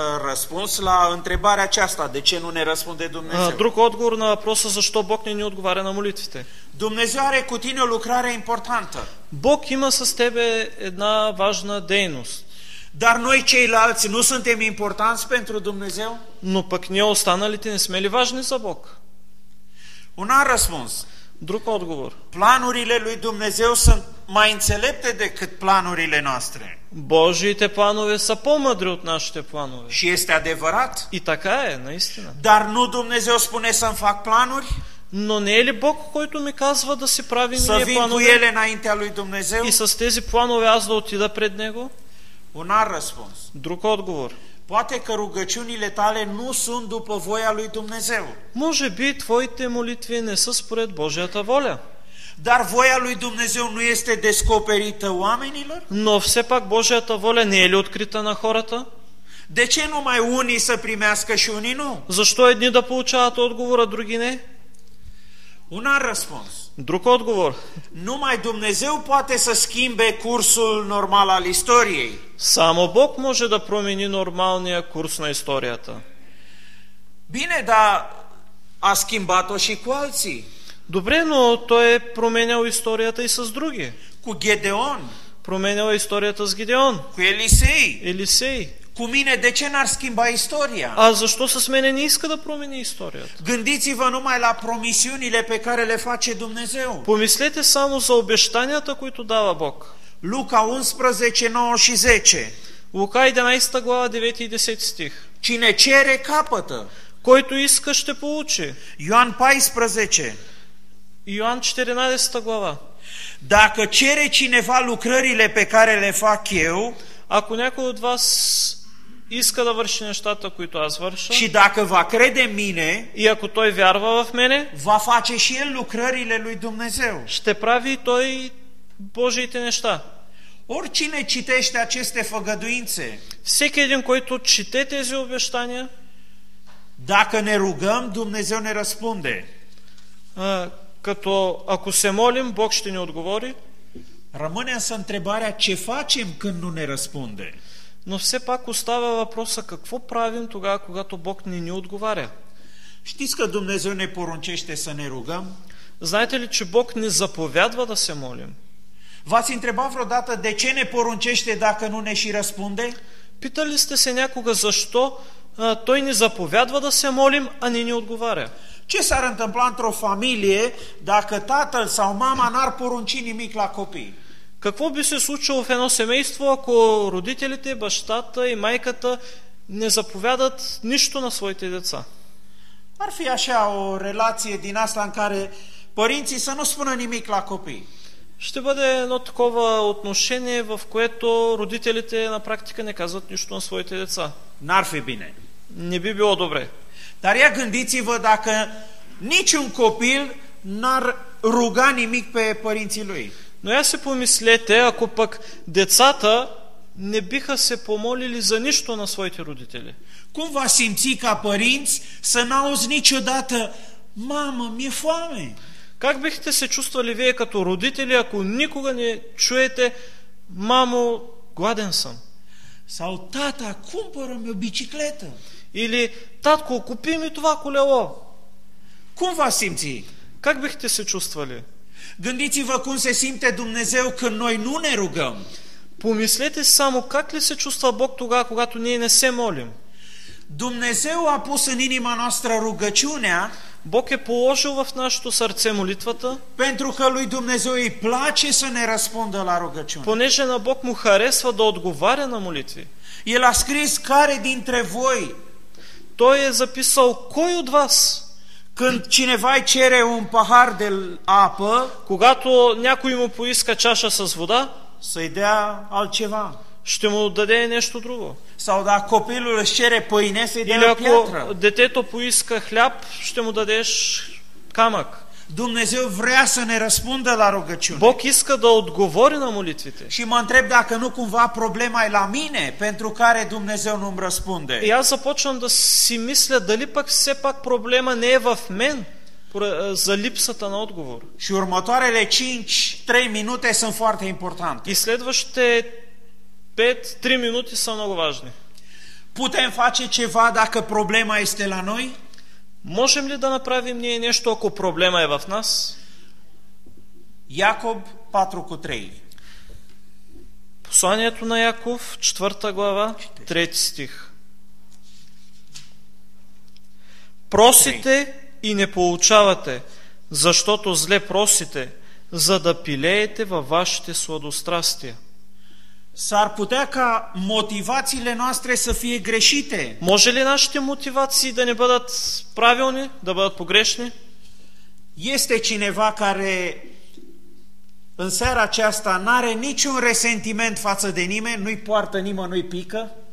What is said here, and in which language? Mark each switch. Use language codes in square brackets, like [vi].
[ro] Răspuns la întrebarea aceasta, de ce nu ne răspunde Dumnezeu? [bg] Друг отговор на въпроса, защо Бог не ни отговаря на молитвите. [ro] Dumnezeu are cu tine o lucrare importantă. [bg] Бог има с тебе една важна дейност. [ro] Dar noi ceilalți nu suntem importanți pentru Dumnezeu? [bg] Но пък ние останалите не сме ли важни за Бог? [ro] Un alt răspuns. [bg] Друг отговор. [ro] Planurile lui Dumnezeu sunt mai înțelepte decât planurile noastre. [bg] Божиите планове са по-мъдри от нашите планове. [ro] Și este adevărat? [bg] И така е, наистина. [ro] Dar nu Dumnezeu spune să-mi fac planuri? [bg] Но не е ли Бог, който ми казва да си правим ние планове? [ro] Să vin cu ele înaintea lui Dumnezeu? [bg] И с тези планове аз да отида пред Него? [ro] Un alt răspuns. [bg] Друг отговор. [ro] Poate că rugăciunile tale nu sunt după voia lui Dumnezeu. [bg] Може би твоите молитви не са според Божията воля. [ro] Dar voia lui Dumnezeu nu este descoperită oamenilor? [bg] Но все пак Божията воля не е ли открита на хората? [ro] De ce numai unii să primească și unii nu? [bg] Защо едни да получават отговор, а други не? [ro] Un alt răspuns. [bg] Друг отговор. [ro] Numai Dumnezeu poate să schimbe cursul normal al istoriei. [bg] Само Бог може да промени нормалния курс на историята. [ro] Bine, dar a schimbat-o și cu alții. [bg] Добре, но той е променял историята и с други. [ro] Cu Gedeon. [bg] променила историята с Гидеон. [ro] Cu Елисей. [bg] Елисей. [ro] Cu mine, de ce n-ar schimba istoria? [bg] А защо с мене не иска да промени историята? [ro] Gândiți-vă numai la promisiunile pe care le face Dumnezeu. [bg] Помислете само за обещанията, които дава Бог. [ro] Luca 11, 9 și 10. [bg] Лука 11 глава 9 и 10 стих. [ro] Cine cere capătă. [bg] Който иска ще получи. [ro] Ioan 14. [bg] Ioan 14 глава. [ro] Dacă cere cineva lucrările pe care le fac eu, [bg] ако някой от вас иска да върши нещата, които аз върша, [ro] și dacă va crede mine, [bg] и ако той вярва в мене, [ro] va face și el lucrările lui Dumnezeu. [bg] Ще прави той Божиите неща. [ro] Oricine citește aceste făgăduințe, [bg] всеки един, който чете тези обещания, [ro] dacă ne rugăm, Dumnezeu ne răspunde. [bg] Като ако се молим, Бог ще ни отговори. [ro] Rămâne însă întrebarea ce facem când nu ne răspunde. [bg] Но все пак остава въпроса какво правим тогава, когато Бог не ни отговаря. [ro] Știți că Dumnezeu ne poruncește să ne rugăm? [bg] Знаете ли, че Бог ни заповядва да се молим? [ro] V-ați întrebat vreodată de ce ne poruncește dacă nu ne și răspunde? [bg] Питали сте се някога защо Той ни заповядва да се молим, а не ни отговаря? [ro] Ce s-ar întâmpla într-o familie dacă tatăl sau mama n-ar porunci nimic la copii? [bg] Какво би се случило в едно семейство, ако родителите, бащата и майката не заповядат нищо на своите деца? [ro] Ar fi așa o relație din asta în care părinții să nu spună nimic la copii. [bg] Ще бъде едно такова отношение, в което родителите на практика не казват нищо на своите деца. [ro] N-ar fi bine. [bg] Не би било добре. [ro] Dar ia gândiți-vă dacă niciun copil n-ar ruga nimic pe părinții lui. [bg] Но я се помислете, ако пък децата не биха се помолили за нищо на своите родители. [ro] Cum va simți ca părinți să n-auzi niciodată, mamă, mi-e foame? [bg] Как бихте се чувствали вие като родители, ако никога не чуете, мамо, гладен съм? [ro] Sau tata, cumpără-mi o bicicletă. [bg] Или татко, купи ми това колело. [ro] Cum va simți? [bg] Как бихте се чувствали? [ro] Gândiți-vă cum se simte Dumnezeu când noi nu ne rugăm. [bg] Помислете само как ли се чувства Бог тогава, когато ние не се молим. [ro] Dumnezeu a pus în inima noastră rugăciunea. [bg] Бог е положил в нашето сърце молитвата. [ro] Pentru că lui Dumnezeu îi place să ne răspundă la rugăciune. [bg] Понеже на Бог му харесва да отговаря на молитви. [ro] El a scris care dintre voi. [bg] Той е записал кой от вас. [ro] Când cineva îi cere un pahar de apă, [bg] когато някой му поиска чаша с вода, [ro] să-i dea altceva. [bg] Ще му даде нещо друго. [ro] Sau dacă copilul își cere pâine, să-i dea piatră. [bg] Детето поиска хляб, ще му дадеш камък. [ro] Dumnezeu vrea să ne răspundă la rugăciune. [bg] Бог иска да отговори на молитвите. [ro] Și mă întreb dacă nu cumva problema e la mine, pentru care Dumnezeu nu-mi răspunde. [bg] И аз започвам да си мисля, дали пък все пак проблема не е в мен, за липсата на отговор. [ro] Și următoarele 5-3 minute sunt foarte importante. [bg] И следващите 5-3 [ro] minute sunt [bg] много важни. [ro] Putem face ceva dacă problema este la noi? [bg] Можем ли да направим ние нещо, ако проблема е в нас? Яков 4:3. Посланието на Яков, 4 глава, 3 стих. Просите и не получавате, защото зле просите, за да пилеете във вашите сладострастия. [ro] S-ar putea ca motivațiile noastre să fie greșite. [bg] Може ли нашите мотивации да не бъдат правилни, да бъдат погрешни? [ro] Este cineva care în seara aceasta n-are niciun resentiment față de nimeni, nu-i poartă nimănui pică?